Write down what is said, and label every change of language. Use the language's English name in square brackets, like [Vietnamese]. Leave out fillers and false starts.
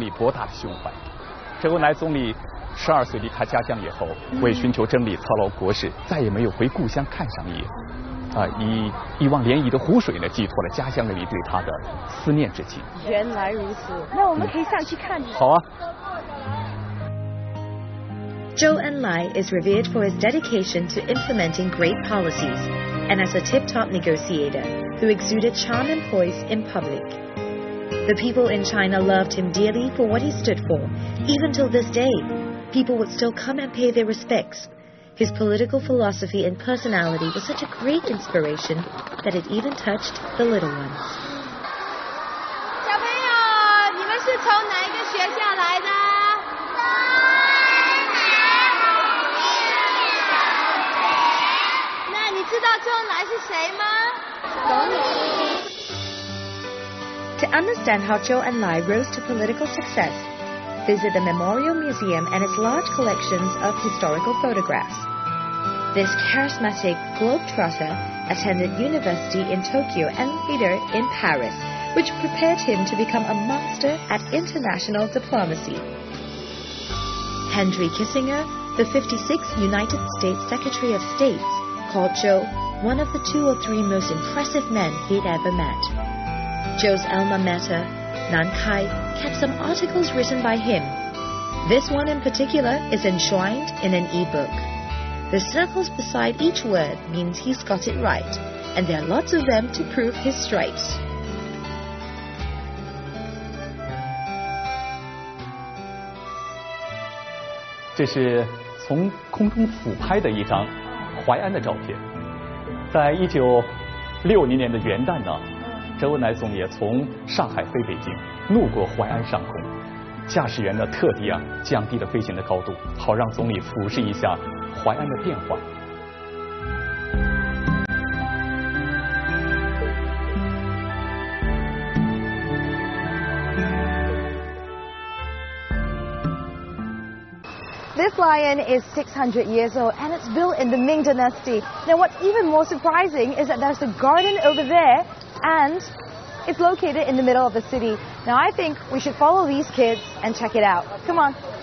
[Chinese] 它是1921年的元月6号对外开放的。哦，我觉得这地方很棒，它建筑物包括什么呢？它是由我们所在的纪念岛、宽阔的水面和环湖四周的绿地组成。哦。总建筑面积啊是40万平方米，其中70%都是水面。都是水。嗯。它有什么意义吗？这宽阔的水面呢，寓意着周恩来总理博大的胸怀。周恩来总理 12岁离开家乡以后，为寻求真理操劳国事，再也没有回故乡看上一眼，以一望连夷的湖水呢，寄托了家乡人民对他的思念之情。原来如此，那我们可以上去看看。好啊。Zhou [English] Enlai is revered for his dedication to implementing great policies, and as a tip-top negotiator who exuded charm and poise in public. The people in China loved him dearly for what he stood for, even till this day. People would still come and pay their respects. His political philosophy and personality was such a great inspiration that it even touched the little ones. [Chinese] 小朋友，你们是从哪一个学校来的？那你知道周恩来是谁吗？总理。 [English] To understand how Zhou Enlai rose to political success, visit the Memorial Museum and its large collections of historical photographs. This charismatic globetrotter attended university in Tokyo and later in Paris, which prepared him to become a master at international diplomacy. Henry Kissinger, the 56th United States Secretary of State, called Zhou one of the two or three most impressive men he'd ever met. Zhou's alma mater, Nankai, kept some articles written by him. This one in particular is enshrined in an e-book. The circles beside each word means he's got it right, and there are lots of them to prove his stripes. This is a photo of Huai'an from the sky. In 1960, [Chinese] 周恩来总理从上海飞北京，怒过淮安上空，驾驶员呢特地啊降低了飞行的高度，好让总理俯视一下淮安的变化。This [English] lion is 600 years old and it's built in the Ming Dynasty. Now what's even more surprising is that there's a garden over there and it's located in the middle of the city. Now I think we should follow these kids and check it out. Come on.